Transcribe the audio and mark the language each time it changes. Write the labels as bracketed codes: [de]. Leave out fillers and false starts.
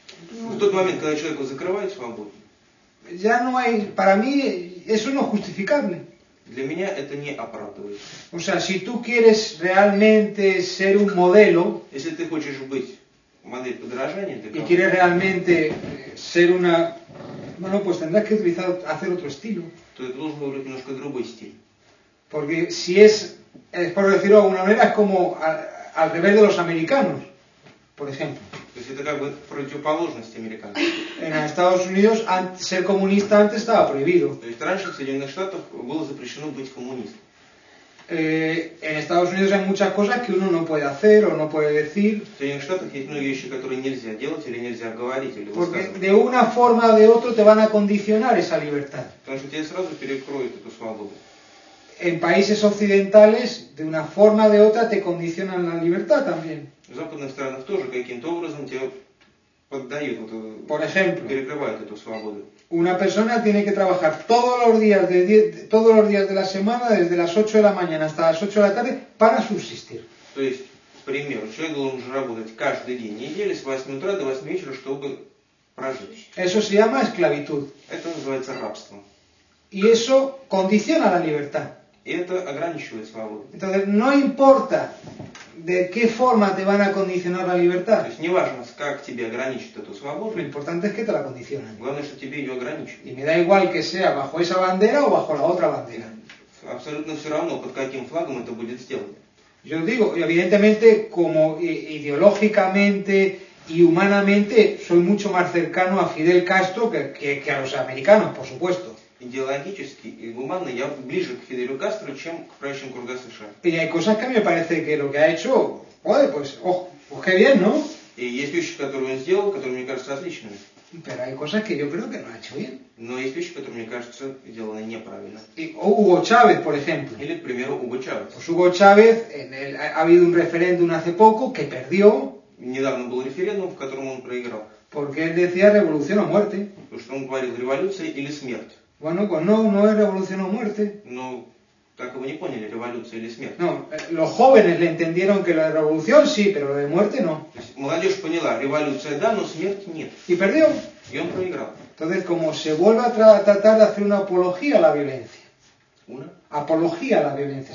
[ru] В тот момент, когда человеку закрывают свободу... [es] Ya no hay... Para mí eso no es justificable. [ru] Для меня это не оправдывает. [es] O sea, si tú quieres realmente ser un modelo, [ru] если ты хочешь быть модель подражания, ты [es] и quieres realmente ser una, bueno, pues tendrás que utilizar hacer otro estilo. [ru] То ты должен выбрать немножко другой стиль. [es] Porque si es por decirlo de alguna manera, es como al revés de los americanos, por ejemplo. [ru] То есть это как бы противоположность американцев. [es] En Estados Unidos, ser comunista antes estaba prohibido. [ru] То есть раньше в Соединенных Штатах было запрещено быть коммунистом. [es] En Estados Unidos hay muchas cosas que uno no puede hacer o no puede decir. [ru] В Соединенных Штатах есть многие вещи, которые нельзя делать или нельзя говорить или высказывать. [es] Porque de una forma o de otra te van a condicionar esa libertad. [ru] Потому что тебе сразу перекроют эту свободу. [es] En países occidentales, de una forma o de otra, te condicionan la libertad también. [ru] В западных странах тоже каким-то образом тебе поддают вот. [es] Por ejemplo. [ru] Перекрывают эту свободу. [es] Una persona tiene que trabajar todos los días de todos los días de la semana desde las 8 de la mañana hasta las 8 de la tarde para subsistir. [ru] То есть, к примеру, человек должен работать каждый день недели с 8 утра до 8 вечера, чтобы прожить. [es] Eso se llama esclavitud. [ru] Это называется рабство. [es] Y eso condiciona la libertad. [ru] И это ограничивает свободу. [es] Entonces, no importa de qué forma te van a condicionar la libertad. [ru] То есть не важно, как тебе ограничат эту свободу. [es] Lo importante es que te la condicionan. [ru] Главное, что тебе ее ограничат. [es] Y me da igual que sea bajo esa bandera o bajo la otra bandera. [ru] Абсолютно все равно, под каким флагом это будет сделано. [es] Yo digo, evidentemente, como ideológicamente y humanamente, soy mucho más cercano a Fidel Castro que a los americanos, por supuesto. [ru] Идеологически и гуманно я ближе к Фиделю Кастро, чем к правящим кругам США. [es] И hay cosas que me parece que lo que ha hecho, oye, pues, oh, pues qué bien, ¿no? [ru] И есть вещи, которые он сделал, которые мне кажутся отличными. [es] Pero hay cosas que yo creo que no ha hecho bien. [ru] Но есть вещи, которые мне кажутся сделаны неправильно. [es] И Уго Чавес, por ejemplo. [ru] Или, к примеру, Уго Чавес. [es] Pues Уго Чавес, ha habido un referéndum hace poco que perdió. [ru] Недавно был референдум, в котором он проиграл. [es] Porque él decía revolución o muerte. [ru] Потому что он говорил революция или смерть. [es] Bueno, pues no es revolución o muerte. [ru] No, так его не поняли, революция или смерть. [es] No, los jóvenes le entendieron que la revolución sí, pero la de muerte no. [ru] То есть, молодежь поняла, революция да, но смерть нет. [es] Y perdió. [ru] Y он проиграл. [es] Entonces, como se vuelve a tratar de hacer una apología a la violencia. Una. Apología a la violencia.